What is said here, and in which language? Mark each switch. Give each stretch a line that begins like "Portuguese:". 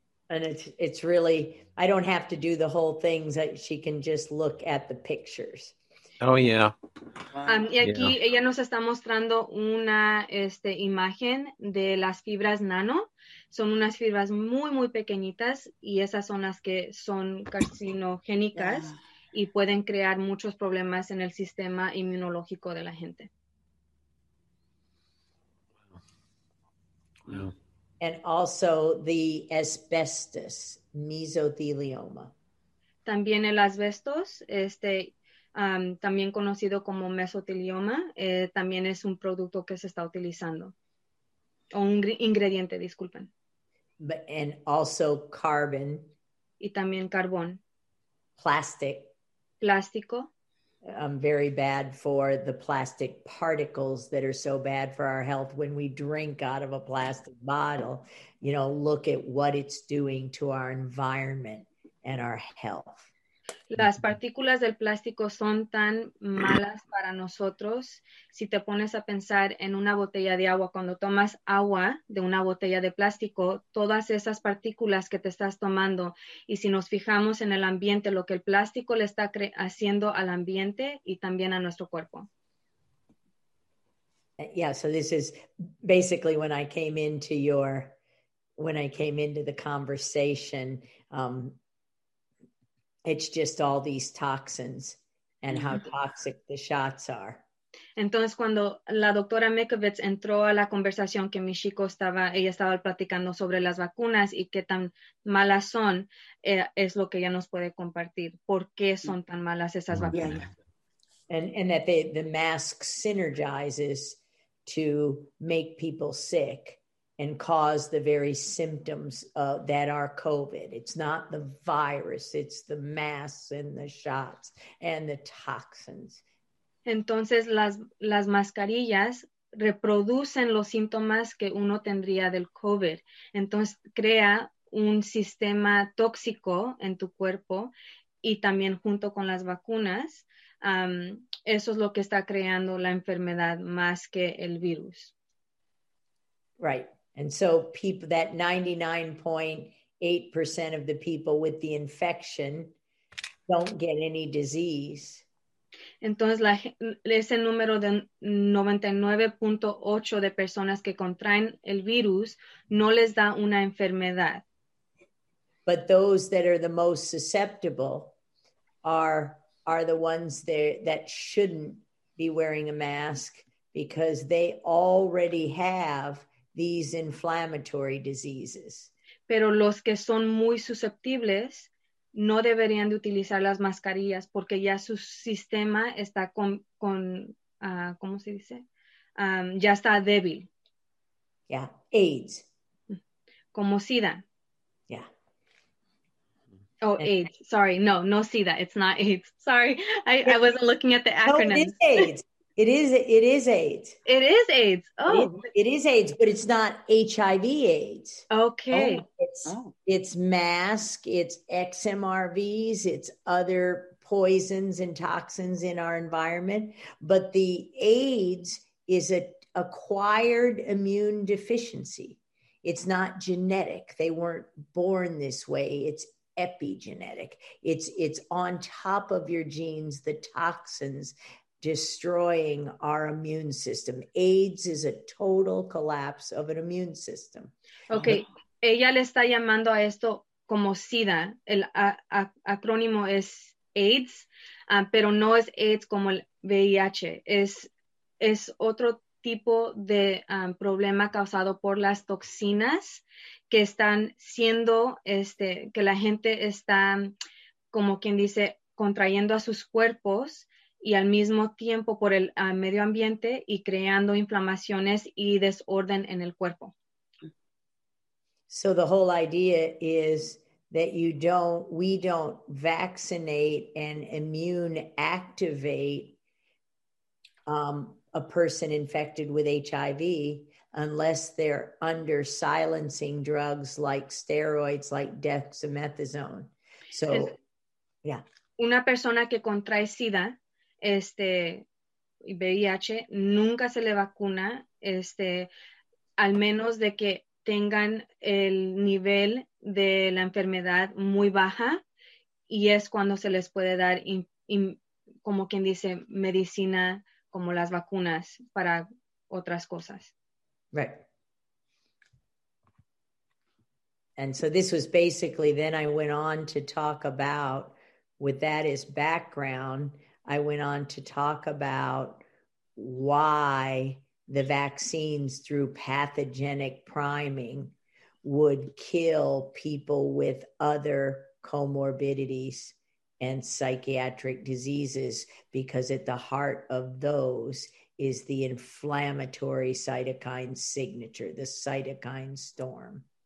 English: And it's really, I don't have to do the whole things. She can just look at the pictures. Oh, yeah.
Spanish: Y aquí yeah. ella nos está mostrando una imagen de las fibras nano. Son unas fibras muy, muy pequeñitas y esas son las que son carcinogénicas yeah. y pueden crear muchos problemas en el sistema inmunológico de la gente.
English: Yeah. And also the asbestos, mesothelioma.
Spanish: También el asbestos, también conocido como mesotelioma, también es un producto que se está utilizando. O un ingrediente, disculpen.
English: And also carbon.
Spanish: Y también carbón.
English: Plastic.
Spanish: Plástico.
English: Very bad for the plastic particles that are so bad for our health when we drink out of a plastic bottle. You know, look at what it's doing to our environment and our health.
Spanish: Las partículas del plástico son tan malas para nosotros. Si te pones a pensar en una botella de agua, cuando tomas agua de una botella de plástico, todas esas partículas que te estás tomando, y si nos fijamos en el ambiente, lo que el plástico le está haciendo al ambiente y también a nuestro cuerpo.
English: Yeah, so this is basically when I came into your, when I came into the conversation, it's just all these toxins and how toxic the shots are.
Spanish: Entonces, cuando la doctora Mikovits entró a la conversación que mi chico estaba, ella estaba platicando sobre las vacunas y qué tan malas son, es lo que ella nos puede compartir. ¿Por qué son tan malas esas vacunas? Yeah.
English: And that the mask synergizes to make people sick and cause the very symptoms that are COVID. It's not the virus, it's the masks and the shots and the toxins.
Spanish: Entonces las mascarillas reproducen los síntomas que uno tendría del COVID. Entonces crea un sistema tóxico en tu cuerpo y también junto con las vacunas, eso es lo que está creando la enfermedad más que el virus.
English: Right. And so people, that 99.8% of the people with the infection don't get any disease.
Spanish: Entonces, ese número de 99.8 de personas que contraen el virus no les da una enfermedad.
English: But those that are the most susceptible are the ones there that shouldn't be wearing a mask because they already have these inflammatory diseases.
Spanish: Pero los que son muy susceptibles no deberían de utilizar las mascarillas porque ya su sistema está ¿cómo se dice? Ya está débil.
English: Yeah, AIDS.
Spanish: Como SIDA.
English: Yeah. Oh, and AIDS. Sorry, no SIDA. It's not AIDS. Sorry, I wasn't looking at the acronym. No, it is AIDS. It is AIDS. It is AIDS. Oh. It is AIDS, but it's not HIV AIDS. Okay. Oh, it's mask, it's XMRVs, it's other poisons and toxins in our environment. But the AIDS is an acquired immune deficiency. It's not genetic. They weren't born this way. It's epigenetic. It's on top of your genes, the toxins, destroying our immune system. AIDS is a total collapse of an immune system.
Spanish: Okay, ella le está llamando a esto como SIDA. El acrónimo es AIDS, pero no es AIDS como el VIH. Es otro tipo de problema causado por las toxinas que están siendo, que la gente está, como quien dice, contrayendo a sus cuerpos y al mismo tiempo por el medio ambiente y creando inflamaciones y desorden en el cuerpo.
English: So the whole idea is that you don't, we don't vaccinate and immune activate a person infected with HIV unless they're under silencing drugs like steroids, like dexamethasone. So, yeah.
Spanish: Una persona que contrae SIDA, VIH, nunca se le vacuna, al menos de que tengan el nivel de la enfermedad muy baja, y es cuando se les puede dar, como quien dice, medicina, como las vacunas para otras cosas.
English: Right. And so this was basically, then I went on to talk about, with that as background, I went on to talk about why the vaccines through pathogenic priming would kill people with other comorbidities and psychiatric diseases, because at the heart of those is the inflammatory cytokine signature, the cytokine storm.